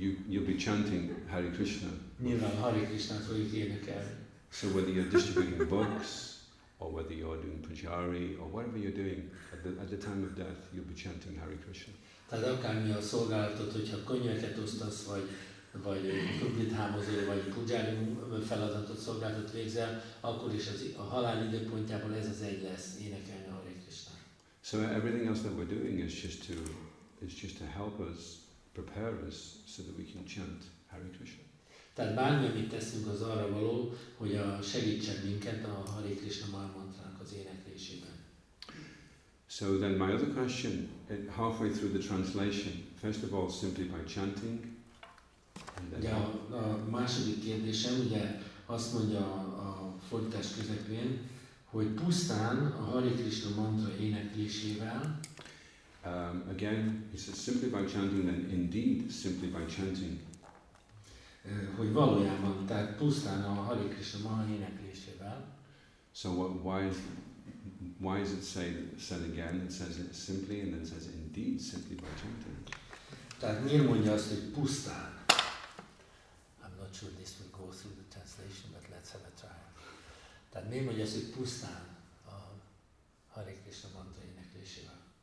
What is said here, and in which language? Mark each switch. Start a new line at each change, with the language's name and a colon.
English: You'll be chanting Hare Krishna.
Hungarian: Nyilván Hare Krishna-t fogjuk énekelni.
English: So whether you're distributing books, or whether you're doing pujari, or whatever you're doing, at the time of death, you'll be chanting Hare Krishna.
Hungarian: Tehát akármi a szolgálatot, hogyha könyveket osztasz, vagy krumplit hámozol, vagy pujari feladatot, szolgálatot végzel, akkor is a halál időpontjában ez az egy lesz, énekelni a Hare Krishna.
English: So everything else that we're doing is just to help us, prepare us, so that we can chant Hare Krishna.
Hungarian: Tehát bármi, amit teszünk, az arra való, hogy segítsen minket a Hare Krishna mantrának az éneklésében.
English: So then my other question, halfway through the translation, first of all simply by chanting.
Hungarian: Ugye a második kérdésem, ugye azt mondja a fordítás közepén, hogy pusztán a Hare Krishna mantra éneklésével.
English: Again, he says simply by chanting, then indeed simply by chanting.
Hungarian: Hogy valójában, tehát pusztán a Hare Krishna mantra éneklésével.
English: So why is it said again? It says it simply, and then says indeed simply by chanting.
Hungarian: Tehát miért mondja azt, hogy pusztán?
English: I'm not sure this will go through the translation, but let's have a try.
Hungarian: Tehát miért mondja azt, hogy pusztán a Hare Krishna mantra éneklésével?